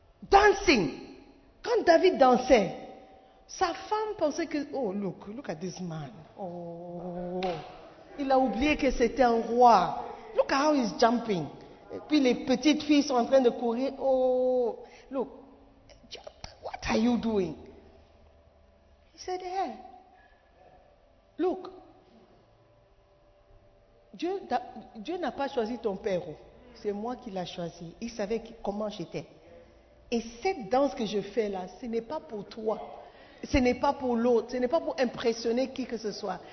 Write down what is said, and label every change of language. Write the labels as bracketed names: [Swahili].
[English] Dancing. [French] Quand David dansait, sa femme pensait que, [English] oh, look at this man. [French] Oh, il a oublié que c'était un roi. [English] Look at how he's jumping. [French] Et puis les petites filles sont en train de courir. [English] Oh, look, what are you doing? He said, hey. [French] Look, Dieu n'a pas choisi ton père, c'est moi qui l'ai choisi. Il savait comment j'étais. Et cette danse que je fais là, ce n'est pas pour toi, ce n'est pas pour l'autre, ce n'est pas pour impressionner qui que ce soit.